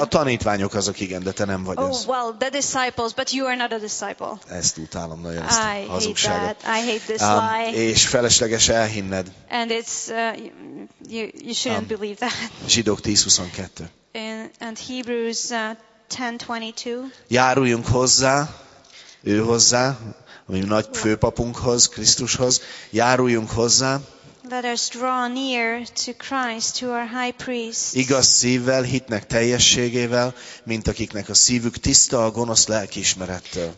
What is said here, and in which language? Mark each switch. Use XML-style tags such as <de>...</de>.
<hu>A tanítványok azok, igen, de te nem vagy az.</hu> <en>Oh, well, the disciples, but you are not a disciple.</en> <hu>Ezt utálom nagyon, ezt a hazugságot.</hu> <en>I hate this lie.</en> <hu>És felesleges elhinned.</hu> <en>And it's, you shouldn't believe that.</en> <hu>Zsidók 10:22.</hu> <en>And Hebrews 10:22.</en> <hu>Járuljunk hozzá, ő hozzá, ami nagy főpapunkhoz, Krisztushoz. Járuljunk hozzá.</hu> <en>Let us draw near to Christ, to our high priest.</en> <hu>Igaz szívvel, hitnek teljességével, mint akiknek a szívük tiszta a gonosz lelkiismerettől.</hu>